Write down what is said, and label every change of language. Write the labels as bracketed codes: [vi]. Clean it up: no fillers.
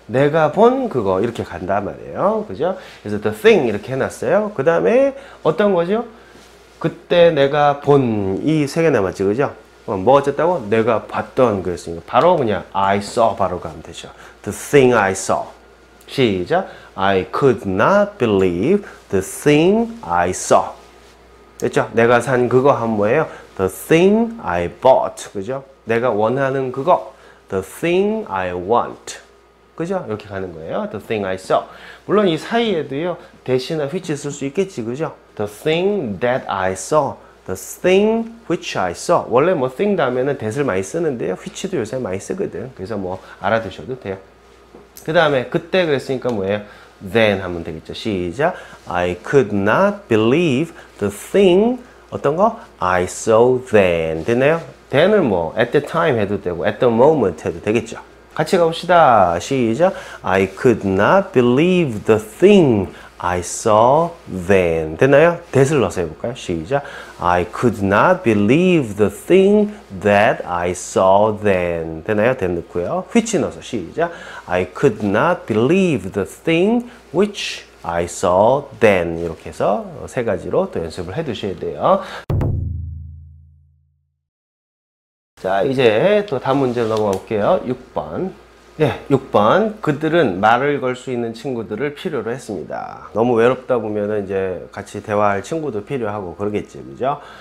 [ko] 내가 본 그거 이렇게 간단 말이에요. 그죠? 그래서 the thing 이렇게 해놨어요. 그 다음에 어떤 거죠? 그때 내가 본 이 세 개 남았지. 그죠? 뭐 어쨌다고? 내가 봤던 그랬으니까 바로 그냥 [en] I saw [ko] 바로 가면 되죠. [en] The thing I saw. [ko] 시작. [en] I could not believe the thing I saw. [ko] 됐죠? 내가 산 그거 한 뭐예요? [en] The thing I bought. [ko] 그죠? 내가 원하는 그거. [en] The thing I want. [ko] 그죠? 이렇게 가는 거예요. [en] The thing I saw. [ko] 물론 이 사이에도요. 대시나 which 쓸 수 있겠지. 그죠? [en] The thing that I saw. The thing which I saw. [ko] 원래 뭐 thing 다음에는 that을 많이 쓰는데요. which도 요새 많이 쓰거든. 그래서 뭐 알아두셔도 돼요. 그 다음에 그때 그랬으니까 뭐예요? then 하면 되겠죠. 시작. [en] I could not believe the thing [ko] 어떤 거? [en] I saw then. [ko] 됐나요? [en] then을 뭐 at the time [ko] 해도 되고 [en] at the moment [ko] 해도 되겠죠. 같이 가봅시다. 시작. [en] I could not believe the thing I saw then. [ko] 됐나요? that을 넣어서 해볼까요? 시작. [en] I could not believe the thing that I saw then. [ko] 됐나요? then 넣고요. which 넣어서 시작. [en] I could not believe the thing which I saw then. [ko] 이렇게 해서 세 가지로 또 연습을 해두셔야 돼요. 자, 이제 또 다음 문제로 넘어가 볼게요. 6번. 예, 6번. 그들은 말을 걸 수 있는 친구들을 필요로 했습니다. 너무 외롭다 보면은 이제 같이 대화할 친구도 필요하고 그러겠지, 그죠?